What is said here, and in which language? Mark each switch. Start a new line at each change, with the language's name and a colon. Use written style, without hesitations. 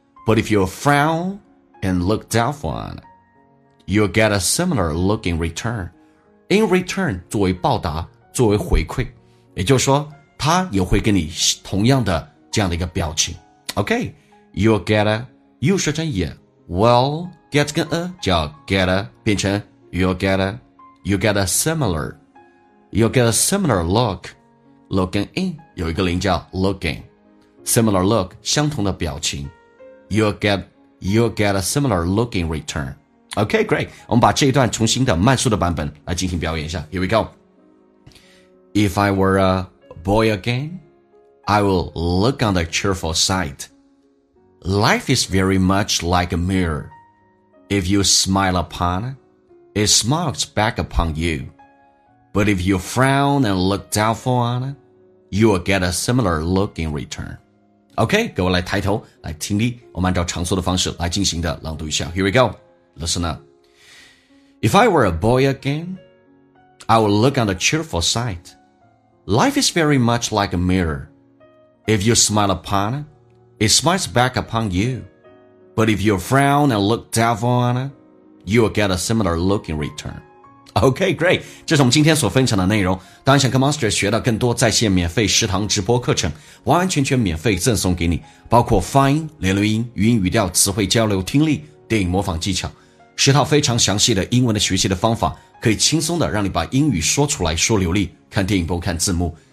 English: But if you frown and look doubtful on it, you'll get a similar look in return.
Chinese: in return 作为报答，作为回馈，也就是说他也会跟你同样的这样的一个表情。 OK, you'll get a, you 说成 yeah, well, get 跟 a 叫 get a, 变成 you'll get a, you get a similar, you'll get a similar look, look and in 有一个零叫 look in, similar look 相同的表情。
English: You'll get a similar look in return. OK, great.
Chinese: 我们把这一段重新的慢速的版本来进行表演一下。
English: Here we go. If I were a boy again, I will look on the cheerful side. Life is very much like a mirror. If you smile upon it, it smiles back upon you. But if you frown and look doubtful on it, you will get a similar look in return.
Chinese: OK, 各位来抬头来听力，我们按照常说的方式来进行的朗读一下。
English: Here we go, listen up. If I were a boy again, I would look on the cheerful side. Life is very much like a mirror. If you smile upon it, it smiles back upon you. But if you frown and look doubtful on it, you will get a similar look in return. OK, great.
Chinese: 这是我们今天所分享的内容。当然想跟 Monster 学到更多在线免费食堂直播课程，完完全全免费赠送给你，包括发音、连录音、语音语调、词汇交流、听力、电影模仿技巧，十套非常详细的英文的学习的方法，可以轻松的让你把英语说出来说流利，看电影不看字幕。